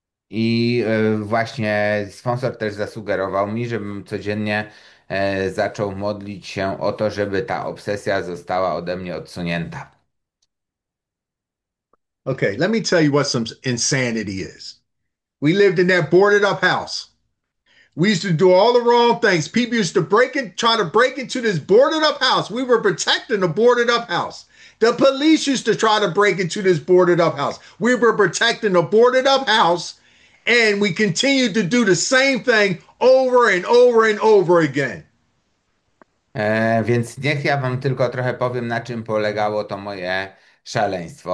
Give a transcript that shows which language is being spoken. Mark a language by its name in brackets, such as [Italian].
[Polish] I właśnie sponsor też zasugerował mi, żebym codziennie zaczął modlić się o to, żeby ta obsesja została ode mnie odsunięta. [English] Okay, let me tell you what some insanity is. We lived in that boarded up house. We used to do all the wrong things. People used to try to break into this boarded up house. We were protecting the boarded up house. The police used to try to break into this boarded up house. We were protecting the boarded up house, and we continued to do the same thing over and over and over again. [Polish] Więc niech ja wam tylko trochę powiem, na czym polegało to moje szaleństwo.